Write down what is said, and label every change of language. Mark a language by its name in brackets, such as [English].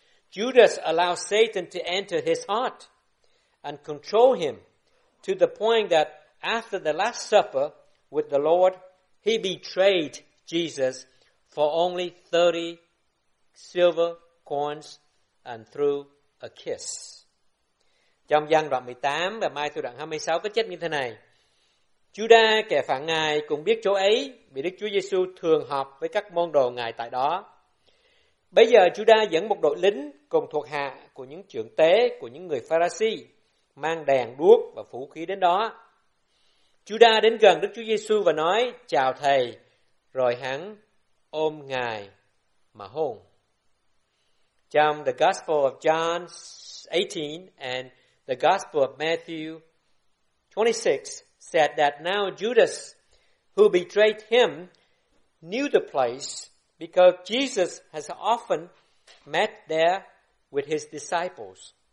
[English] Judas allowed Satan to enter his heart and control him to the point that after the Last Supper with the Lord, he betrayed Jesus for only 30 silver coins and threw a kiss. [Vietnamese] Trong Giăng đoạn 18 và Mai thuộc đoạn 26 có chép như thế này: Giuđa, kẻ phản Ngài, cũng biết chỗ ấy, vì Đức Chúa Giê-xu thường họp với các môn đồ Ngài tại đó. Bây giờ Giuđa dẫn một đội lính cùng thuộc hạ của những trưởng tế, của những người Pharisee, mang đèn đuốc và vũ khí đến đó. Giuđa đến gần Đức Chúa Giê-xu và nói: "Chào Thầy." Rồi hắn ôm Ngài mà hôn. [English] Trong The Gospel of John 18 and The Gospel of Matthew 26 said that now Judas, who betrayed him, knew the place because Jesus has often met there with his disciples.